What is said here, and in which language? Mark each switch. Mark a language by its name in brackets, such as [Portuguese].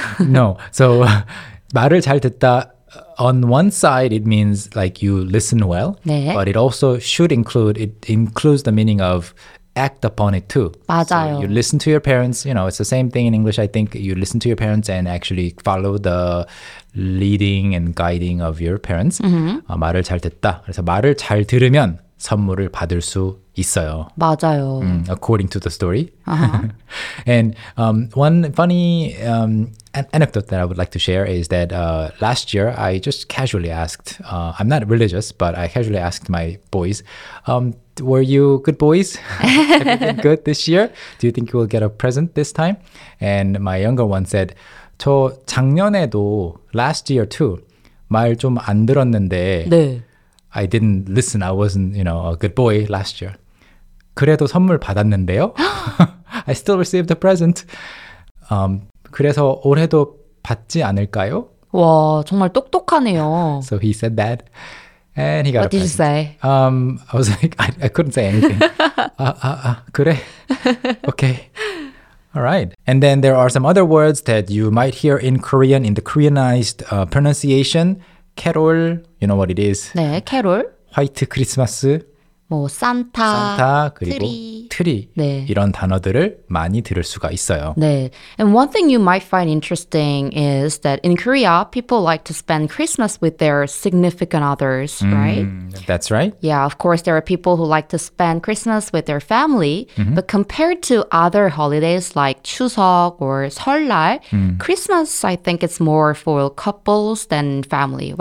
[English] No. So, 말을 잘 듣다, on one side, it means like you listen well. [Korean] 네. [English] But it also should include, it includes the meaning of act upon it too. [Korean] 맞아요. [English] So you listen to your parents, you know, it's the same thing in English, I think. You listen to your parents and actually follow the leading and guiding of your parents. Mm-hmm. [Korean] 말을 잘 듣다. 그래서 말을 잘 들으면 선물을 받을 수 있어요. 맞아요. [English] According to the story. Uh-huh. And one funny anecdote that I would like to share is that last year I just casually asked, I'm not religious, but I casually asked my boys, were you good boys? Have you been good this year? Do you think you will get a present this time? And my younger one said, [Korean] 저 작년에도, [English] last year too, [Korean] 말 좀 안 들었는데, 네. [English] I didn't listen. I wasn't, you know, a good boy last year. [Korean] 그래도 선물 받았는데요. [English] I still received a present. [Korean] 그래서 올해도 받지 않을까요? 와, 정말 똑똑하네요. [English] So he said that. And he got what a present. What did you say? I was like, I couldn't say anything. 그래? Okay. All right. And then there are some other words that you might hear in Korean, in the Koreanized pronunciation. 캐롤, you know what it is. [Korean] 네, 캐롤. 화이트 크리스마스. 뭐 산타, 산타 그리고 트리. 네. 이런 단어들을 많이 들을 수가 있어요. 네. [English] And one thing you might find interesting is that in Korea, people like to spend Christmas with their significant others, right? That's right. Yeah, of course, there are people who like to spend Christmas with their family. Mm-hmm. But compared to other holidays like 추석 or 설날, Christmas, I think it's more for couples than family.